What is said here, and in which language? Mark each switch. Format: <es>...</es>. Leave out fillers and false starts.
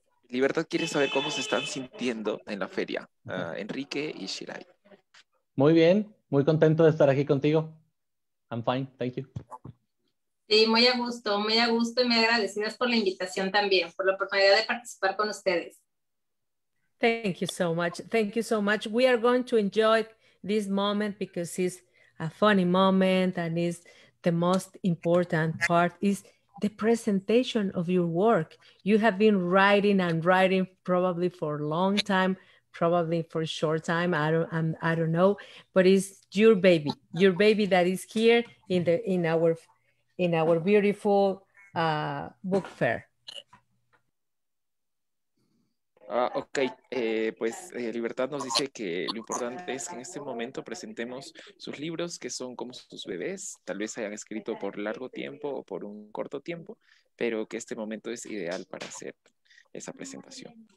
<es>Libertad quiere saber cómo se están sintiendo en la feria, Enrique y Shirai. Muy bien, muy contento de estar aquí contigo.</es> <en>I'm fine, thank you.</en> <es>Sí, muy a gusto y muy agradecidas por la invitación también, por la oportunidad de participar con ustedes.</es> <en>Thank you so much. We are going to enjoy this moment because it's a funny moment, and it's the most important part is the presentation of your work. You have been writing and writing probably for a long time, probably for a short time, I don't know, but it's your baby that is here in our beautiful book fair.</en> <es>Okay, Libertad nos dice que lo importante es que en este momento presentemos sus libros, que son como sus bebés, tal vez hayan escrito por largo tiempo o por un corto tiempo, pero que este momento es ideal para hacer esa presentación.</es>